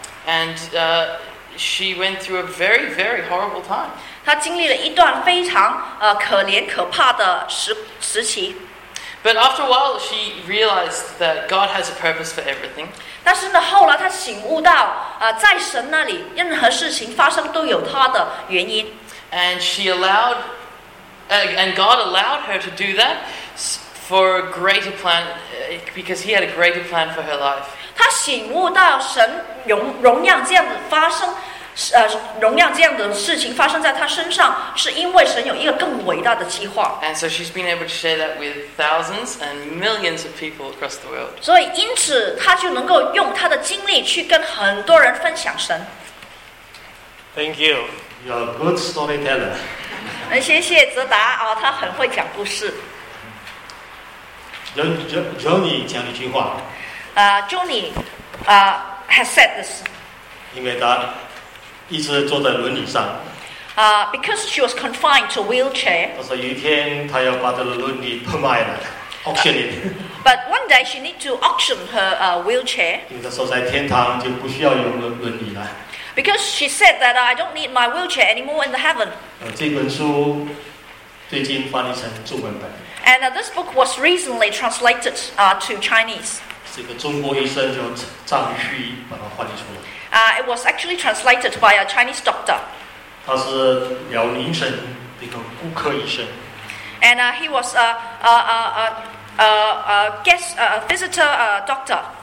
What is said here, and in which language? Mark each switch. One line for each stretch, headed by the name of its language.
English: And she went through a very, very horrible time.
Chinese: 他经历了一段非常可怜可怕的时期。
English: But after a while, she realized that God has a purpose for everything.
Chinese: 但是呢，后来她醒悟到，在神那里，任何事情发生都有他的原因。
English: And she allowed, and God allowed her to do that for a greater plan because he had a greater plan for her life.
Chinese: 他醒悟到神容让这样的发生，容让这样的事情发生在他身上，是因为神有一个更伟大的计划。
English: And so she's been able to share that with thousands and millions of people across the world.
Chinese: 所以因此，他就能够用他的经历去跟很多人分享神。
English: Thank you. You're a good storyteller.
Chinese: 谢谢泽达啊，他很会讲故事。 Johnny 讲一句话。
English: Johnny has said this.
Chinese: 因为他一直坐在轮椅上。
English: Because she was confined to a wheelchair.
Chinese: 他说有一天他要把他的轮椅拍卖了 ，
English: auction it. But one day she need to auction her wheelchair.
Chinese: 因为他说在天堂就不需要用轮椅了。
English: Because she said that I don't need my wheelchair anymore in the heaven.
Chinese: 这本书最近翻译成中文版。
English: And this book was recently translated to Chinese.
Chinese: 这个中国医生叫张旭把它翻译出来。
English: It was actually translated by a Chinese doctor.
Chinese: 他是辽宁省的一个骨科医生。
English: And he was a visitor doctor.